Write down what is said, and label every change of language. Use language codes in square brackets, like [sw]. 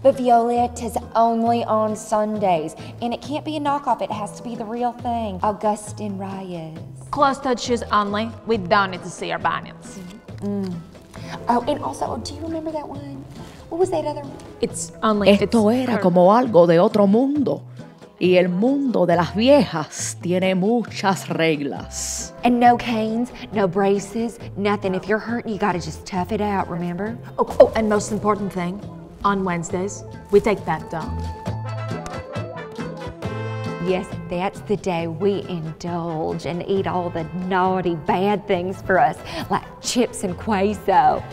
[en] But Violetta is only on Sundays, and it can't be a knockoff. It has to be the real thing. Augustine Reyes. Close touch shoes only. We don't need to see our bonnets. Mm. Oh, and also, do you remember that one? What was that other one? It's only... [es] Esto [en] it's [es] era her. Como algo de otro mundo. Y el mundo de las viejas tiene muchas reglas. [en] And no canes, no braces, nothing. If you're hurting, you gotta just tough it out, remember? Oh, and most important thing, on Wednesdays, we take that dog. Yes, that's the day we indulge and eat all the naughty, bad things for us, like chips and queso.